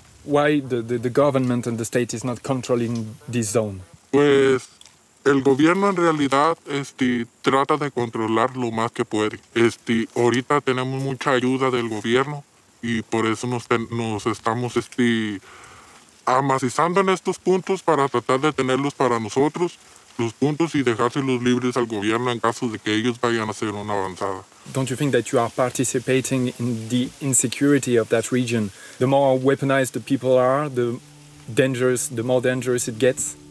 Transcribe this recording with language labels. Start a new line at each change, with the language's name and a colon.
English: Why the government and the state is not controlling this zone?
Spanish: Pues el gobierno en realidad trata de controlar lo más que puede. Ahorita tenemos mucha ayuda del gobierno y por eso nos estamos amacizando en estos puntos para tratar de tenerlos para nosotros, los puntos, y dejárselos libres al gobierno en caso de que ellos vayan a hacer una avanzada.
English: Don't you think that you are participating in the insecurity of that region? The more weaponized the people are, the more dangerous it gets.